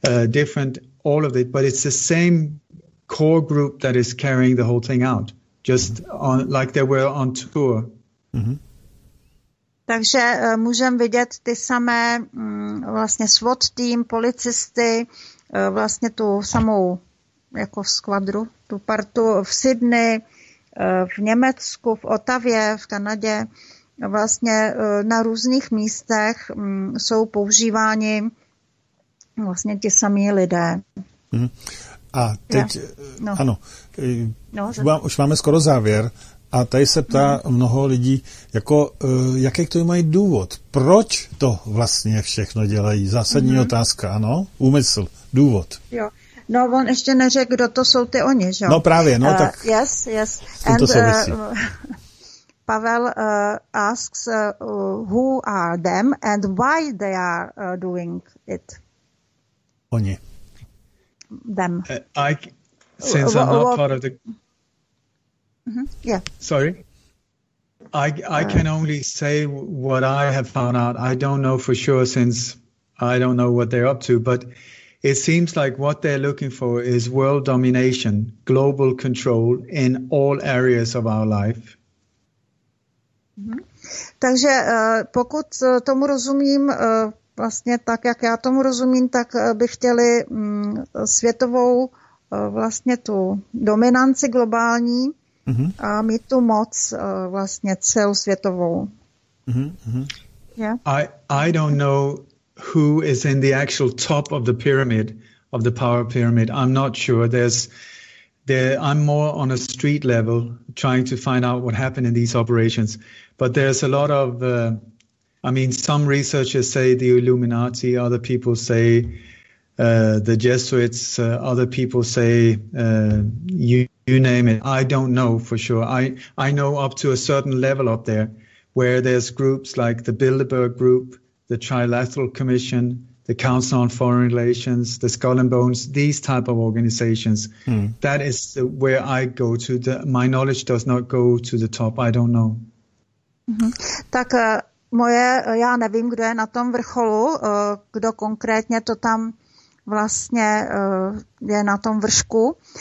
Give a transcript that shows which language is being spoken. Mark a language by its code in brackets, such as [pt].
[en] different, all of it, but it's the same core group that is carrying the whole thing out, just on, like they were on tour. Mm-hmm. [cs] Takže můžeme vidět ty samé vlastně SWAT team, policisty, vlastně tu samou jako skvadru, tu partu v Sydney, v Německu, v Ottawě, v Kanadě, vlastně na různých místech jsou používáni vlastně ti samí lidé. Mm-hmm. A teď, no. Ano, no, už máme skoro závěr a tady se ptá mnoho lidí, jako, jaký to mají důvod, proč to vlastně všechno dělají? Zásadní otázka, ano, úmysl, důvod. Jo. No, on ještě neřekl, kdo to jsou ty oni, že jo? No právě, no tak. [en] Yes, yes. And Pavel asks, who are them and why they are doing it? [cs] Oni. [en] Them. Since I'm not part of the... Mm-hmm. Yeah. Sorry? I can only say what I have found out. I don't know for sure since I don't know what they're up to, but... It seems like what they're looking for is world domination, global control in all areas of our life. [cs] Takže pokud tomu rozumím vlastně tak, jak já tomu rozumím, tak by chtěli světovou vlastně tu dominanci globální a mít tu moc vlastně celosvětovou. [en] Yeah? I don't know who is in the actual top of the pyramid, of the power pyramid. I'm not sure. I'm more on a street level trying to find out what happened in these operations. But there's a lot of, some researchers say the Illuminati, other people say the Jesuits, other people say you name it. I don't know for sure. I know up to a certain level up there where there's groups like the Bilderberg Group, the Trilateral Commission, the Council on Foreign Relations, the Skull and Bones, these type of organizations. Hmm. That is where I go to. My knowledge does not go to the top. I don't know. [cs] Tak moje, já nevím, kdo je na tom vrcholu, kdo konkrétně to tam vlastně je na tom vršku.